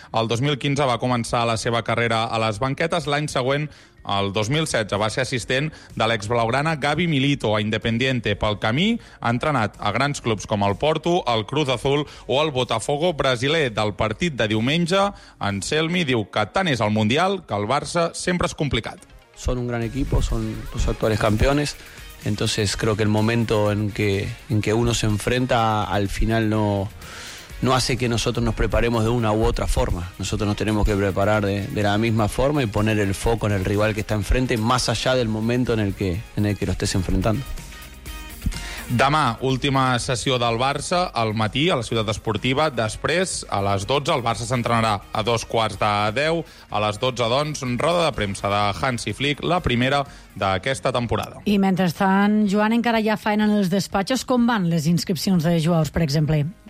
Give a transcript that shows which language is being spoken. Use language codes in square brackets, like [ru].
[ca] El 2015 va començar la seva carrera a les banquetes. L'any següent, el 2016, va ser assistent de l'exblaugrana Gavi Milito a Independiente. Pel camí, ha entrenat a grans clubs com el Porto, el Cruz Azul o el Botafogo brasiler. Del partit de diumenge, Anselmi diu que tant és el Mundial que el Barça sempre és complicat. [es] Son un gran equipo, son los actuales campeones, entonces creo que el momento en que uno se enfrenta al final no hace que nosotros nos preparemos de una u otra forma. Nosotros nos tenemos que preparar de la misma forma y poner el foco en el rival que está enfrente, más allá del momento en el que lo estés enfrentando. [ca] Demà, última sessió del Barça, al matí, a la Ciutat Esportiva. Després, a les 12, el Barça s'entrenarà a 10:15. A les 12, doncs, roda de premsa de Hansi Flick, la primera d'aquesta temporada. I mentrestant, Joan, encara hi ha feina en els despatxos. Com van les inscripcions de jugadors, per exemple?